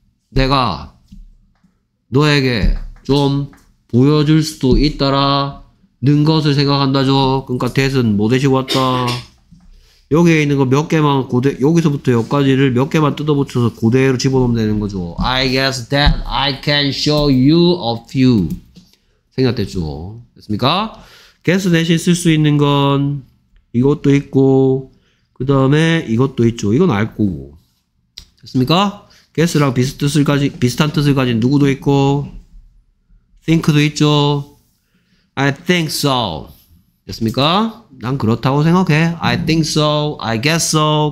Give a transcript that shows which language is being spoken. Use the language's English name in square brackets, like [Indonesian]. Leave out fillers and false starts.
[Korean] 내가 너에게 좀 보여줄 수도 있다라 는 것을 생각한다죠. 그러니까 that은 뭐 되시고 왔다? 여기에 있는 거 몇 개만 고대 여기서부터 여기까지를 몇 개만 뜯어 붙여서 고대로 집어넣으면 되는 거죠. [English] I guess that I can show you a few [Korean] 생각됐죠. 됐습니까? guess 대신 쓸 수 있는 건 이것도 있고 그 다음에 이것도 있죠. 이건 알 거고 됐습니까? guess랑 비슷한 뜻을 가진 누구도 있고 think도 있죠. [English] I think so [Korean] 됐습니까? 난 그렇다고 생각해. [English] I think so. I guess so.